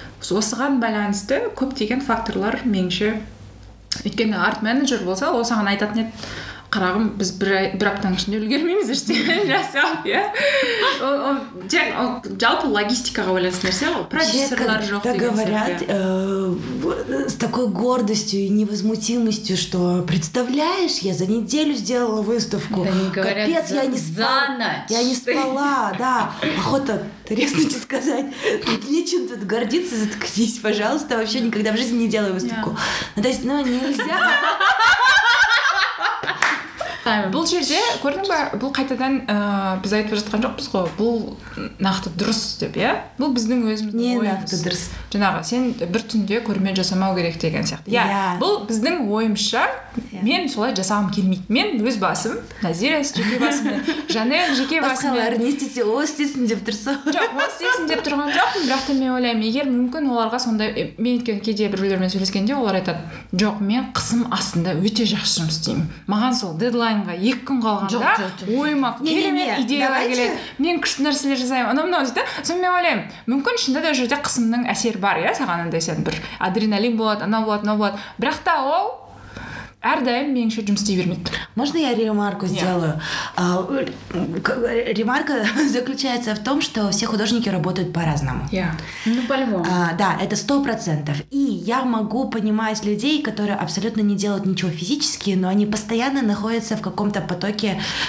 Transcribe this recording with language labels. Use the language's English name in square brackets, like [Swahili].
[Kazakh] Осыған байланысты көптеген факторлар меніңше. Өйткені арт-менеджер болса, ол саған айтатын еді, қарағым, біз бір аптаның ішінде үлгермейміз ештеңе жасап, иә. Жалпы логистикаға байланысты нәрсе ғой, продюсерлер жоқ деген. [Russian] Так говорят, с такой гордостью и невозмутимостью, что представляешь, я за неделю сделала выставку. Да, говорят, капец, я не спала. За ночь. Я не спала, да. Охота, интересно тебе сказать. Нечем тут гордиться, заткнись, пожалуйста. Вообще никогда в жизни не делаю выставку. Ну, то есть, ну, нельзя. [Kazakh] Бұл жерде, көрдің ба, бұл қайтадан біз айтып жатқан жоқпыз қой, бұл нақты дұрыс деп, иә? Бұл біздің өзіміздің ойымыз. Не нақты дұрыс? Жаңағы, сен бір түнде көрме жасамау керек деген сияқты. Иә, бұл біздің ойымызша, мен солай жасағым келмейді. Мен өз басым, Назира жеке басым, Жанель жеке басым. Басқалары не істесе, ол істесін деп тұрса. Жоқ, ол істесін деп тұрған жоқпын, бірақ та мен ойлаймын, егер мүмкін оларға сондай, мен өткенде кейде біреулермен сөйлескенде олар айтады, жоқ, мен қысым астында өте жақсы жұмыс істеймін. Маған сол дедлайнға 2 күн қалғанда ойыма керемет идеялар келеді. Мен күшті нәрселер жасаймын, анау-мынау дейді. Сосын мен ойлаймын, мүмкін шынында да жерде қысымның әсері бар, иә, саған андай сен бір адреналин болады, анау болады, мынау болады. Бірақ та ол әрдайым меніңше жұмыс істей бермейді. [Russian] Можно я ремарку сделаю? Ремарка заключается в том, что все художники работают по-разному. Ну, по-любому. Да, это 100%. И я могу понимать людей, которые абсолютно не делают ничего физически, но они постоянно находятся в каком-то потоке